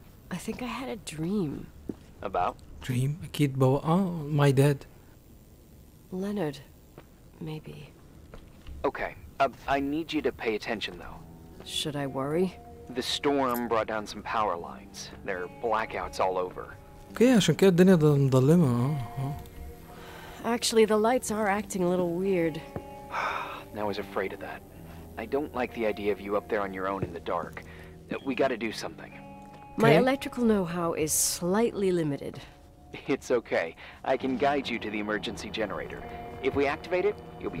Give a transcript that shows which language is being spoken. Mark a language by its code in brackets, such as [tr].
[en] I think I had a dream. About? Dream? Kid Bob? Oh, my dad. Leonard, maybe. Okay. I need you to pay attention, though. Should I worry? The storm brought down some power lines. There are blackouts all over. [ar] Okay, عشان كده الدنيا مظلمة. [en] Actually, the lights are acting a little weird. I was afraid of that. I don't like the idea of you up there on your own in the dark. We gotta do something. My electrical know-how is slightly limited. It's okay. I can guide you to the emergency generator. If we activate it, you'll be